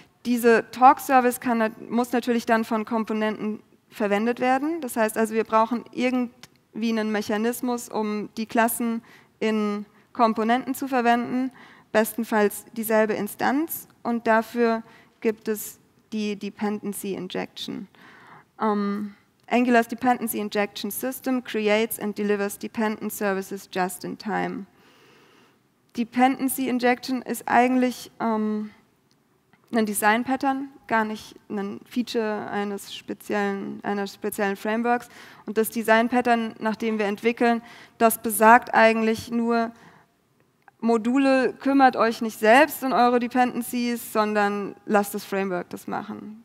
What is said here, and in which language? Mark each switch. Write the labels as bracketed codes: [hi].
[de] Diese Talk-Service muss natürlich dann von Komponenten verwendet werden. Das heißt also, wir brauchen irgendwie einen Mechanismus, um die Klassen in Komponenten zu verwenden, bestenfalls dieselbe Instanz. Und dafür gibt es die Dependency Injection. [en] Angular's Dependency Injection System creates and delivers dependent services just in time. [de] Dependency Injection ist eigentlich ein Design-Pattern, gar nicht ein Feature eines speziellen Frameworks. Und das Design-Pattern, nach dem wir entwickeln, das besagt eigentlich nur, Module, kümmert euch nicht selbst um eure Dependencies, sondern lasst das Framework das machen.